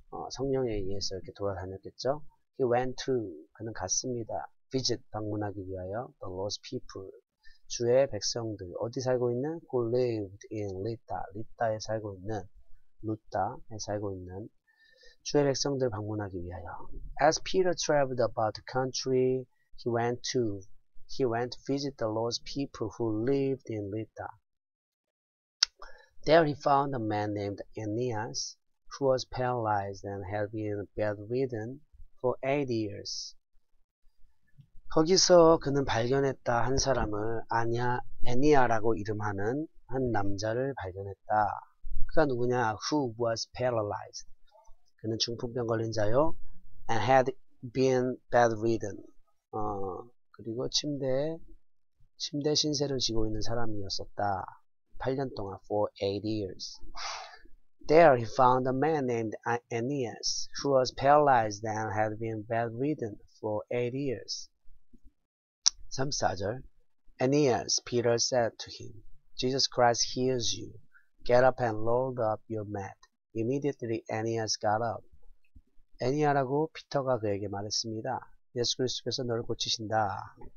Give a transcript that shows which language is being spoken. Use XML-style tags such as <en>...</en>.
<ko>성령에 의해서 이렇게 돌아다녔겠죠.</ko> <en>He went to</en> <ko>그는 갔습니다.</ko> <en>Visit</en> <ko>방문하기 위하여</ko> <en>the lost people</en> <ko>주의 백성들 어디 살고 있는?</ko> <en>Who lived in Lydda.</en> <ko>Lydda에 살고 있는 루다에 살고 있는 주의 백성들 방문하기 위하여.</ko> <en>As Peter traveled about the country, he went to visit the Lord's people who lived in Lydda. There he found a man named Aeneas, who was paralyzed and had been bedridden for 8 years.</en> <ko>거기서 그는 발견했다 한 사람을 애니아라고 이름하는 한 남자를 발견했다. 그가 누구냐?</ko> <en>Who was paralyzed?</en> <ko>그는 중풍병 걸린 자요.</ko> <en>And had been bedridden.</en> <ko>그리고 침대 신세를 지고 있는 사람이었었다. 8년 동안,</ko> <en>for 8 years. There he found a man named Aeneas, who was paralyzed and had been bedridden for 8 years.</en> <ko>34절.</ko> <en>Aeneas, Peter said to him, Jesus Christ heals you. Get up and roll up your mat. Immediately Aeneas got up.</en> <ko>애니아라고 피터가 그에게 말했습니다. 예수 그리스도께서 너를 고치신다.</ko>